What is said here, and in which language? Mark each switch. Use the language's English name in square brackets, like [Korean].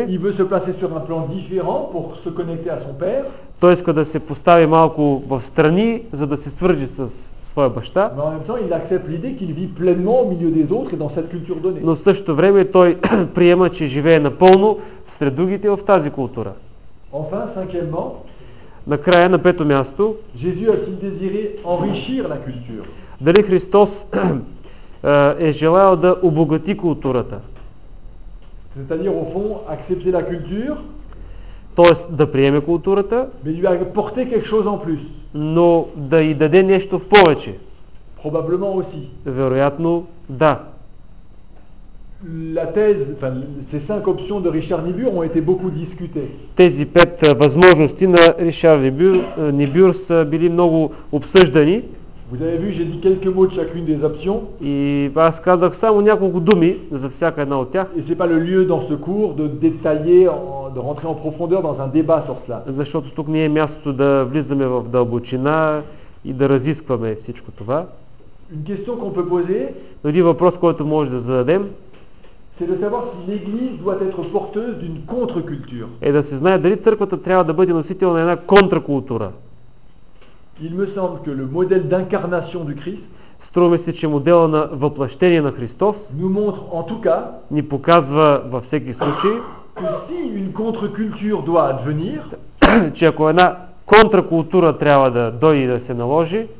[French] Il veut se placer sur un plan différent pour se connecter à son père. [Bulgarian] Той иска да се постави малко в страни, за да се свържи с своя баща. [French] Но en même temps, il accepte l'idée qu'il vit pleinement au milieu des autres et dans cette culture donnée. [Bulgarian] Но в същото време той приема, че живее напълно сред другите в тази култура. [French] Enfin, cinquièmement, [Bulgarian] накрая, на пето място, [French] Jésus a-t-il désiré enrichir la culture? [Bulgarian] Дали Христос е желал да обогати културата? [French] C'est-à-dire, au fond, accepter la culture, [Bulgarian] т.е. да приеме културата, [French] mais lui apporter quelque chose en plus, [Bulgarian] но да й даде нещо в повече. [French] Probablement aussi. [Bulgarian] Вероятно, да. [French] La thèse, enfin, ces cinq options de Richard Niebuhr ont été beaucoup discutées. [Bulgarian] Тези пет възможности на Ришар Нибюр са били много обсъждани. [French] Vous avez vu, j'ai dit quelques mots de chacune des options. [Bulgarian] И аз казах само няколко думи за всяка една от тях. [French] Et c'est pas le lieu dans ce cours de détailler, de rentrer en profondeur dans un débat sur cela. [Bulgarian] Защото тук не е мястото да влизаме в дълбочина и да разискваме всичко това. [French] Une question qu'on peut poser. [Bulgarian] Един въпрос, който може да зададем. [French] C'est de savoir si l'église doit être porteuse d'une contre-culture. [Bulgarian] Е да се знае дали църквата трябва да бъде носител на една контракултура. [French] Il me semble que le modèle d'incarnation du Christ, [Bulgarian] струваме се, че моделът на въплъщение на Христос, [French] nous montre en tout cas, [Bulgarian] ни показва във всеки случай, [French] que si une contre-culture doit advenir, [Bulgarian] че ако една контракултура трябва да дойде и да се наложи,